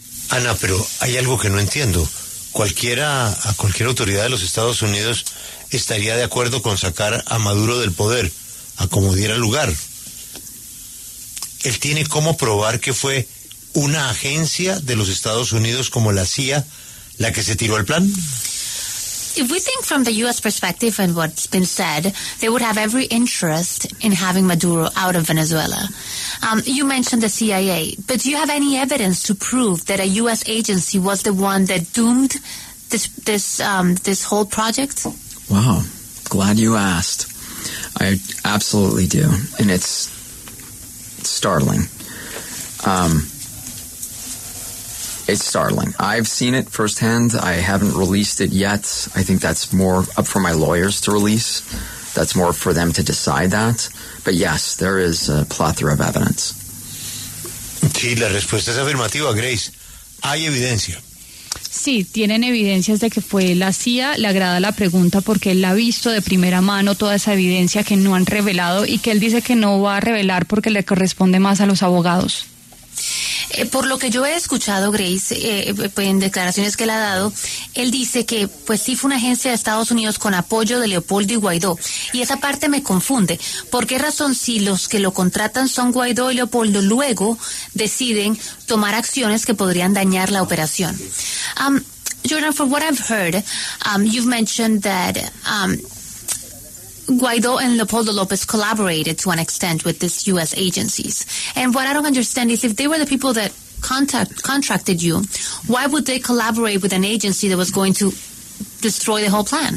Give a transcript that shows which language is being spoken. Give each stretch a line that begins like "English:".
Spanish: Ana, pero hay algo que no entiendo. Cualquiera, a cualquier autoridad de los Estados Unidos, estaría de acuerdo con sacar a Maduro del poder, a como diera lugar. Él tiene cómo probar que fue una agencia de los Estados Unidos como la CIA la que se tiró el plan.
English: If we think from the U.S. perspective and what's been said, they would have every interest in having Maduro out of Venezuela. You mentioned the CIA, but do you have any evidence to prove that a U.S. agency was the one that doomed this whole project? Wow, glad you asked. I absolutely do, and it's startling. It's startling. I've seen it firsthand. I haven't released it yet. I think that's more up for my lawyers to release. That's more for them to decide that. But yes, there is a plethora of evidence.
Spanish: Sí, la respuesta es afirmativa, Grace. Hay evidencia. Sí, tienen evidencias de que fue la CIA. Le agrada la pregunta porque él ha visto de primera mano toda esa evidencia que no han revelado y que él dice que no va a revelar porque le corresponde más a los abogados. Por lo que yo he escuchado, Grace, en declaraciones que él ha dado, él dice que pues sí fue una agencia de Estados Unidos con apoyo de Leopoldo y Guaidó. Y esa parte me confunde. ¿Por qué razón si los que lo contratan son Guaidó y Leopoldo luego deciden tomar acciones que podrían dañar la operación?
English: Jordan, from what I've heard, you've mentioned that Guaidó and Leopoldo López collaborated to an extent with these U.S. agencies. And what I don't understand is if they were the people that contracted you, why would they collaborate with an agency that was going to destroy the whole plan?